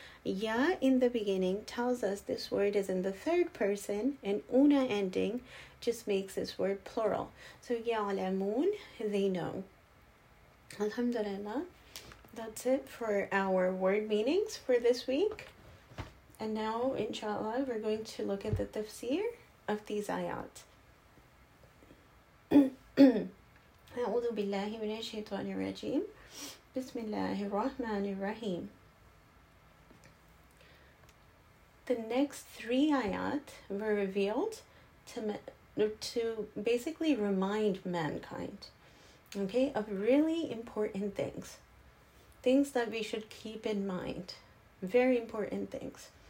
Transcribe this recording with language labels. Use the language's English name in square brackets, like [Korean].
[English] Ya in the beginning tells us this word is in the third person, and una ending just makes this word plural. So ya'lamun, they know. Alhamdulillah, that's it for our word meanings for this week. And now, inshallah, we're going to look at the tafsir of these ayat. [Arabic] أعوذ بالله من الشيطان الرجيم بسم الله الرحمن الرحيم. [English] The next three ayat were revealed to basically remind mankind, okay, of really important things. Things that we should keep in mind. Very important things.